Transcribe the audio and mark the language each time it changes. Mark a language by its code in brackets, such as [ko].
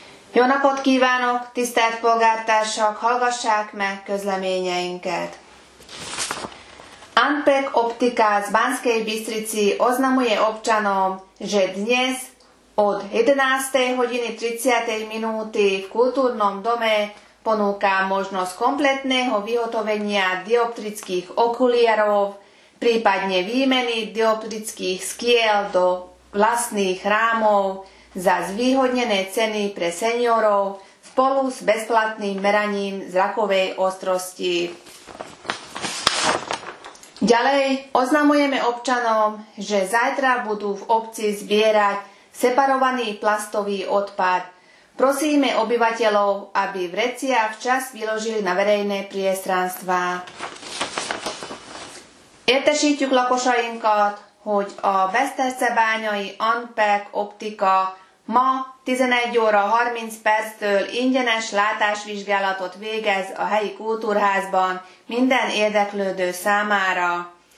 [hu] Jónapot kívánok, tisztelt polgártársak, hallgassák meg közleményeinket. [sk] Antec Optika z Banskej Bystrici oznamuje občanom, že dnes od 11:30 v kultúrnom dome ponúka možnosť kompletného vyhotovenia dioptrických okuliarov, prípadne výmeny dioptrických skiel do vlastných rámov za zvýhodnené ceny pre seniorov spolu s bezplatným meraním zrakovej ostrosti. Ďalej oznamujeme občanom, že zajtra budú v obci zbierať separovaný plastový odpad. Prosíme obyvateľov, aby vrecia včas vyložili na verejné priestranstvá. [hu] Értesítjük lakosainkat, hogy a Veszterczebányai Unpack Optika ma 11:30 ingyenes látásvizsgálatot végez a helyi kultúrházban minden érdeklődő számára.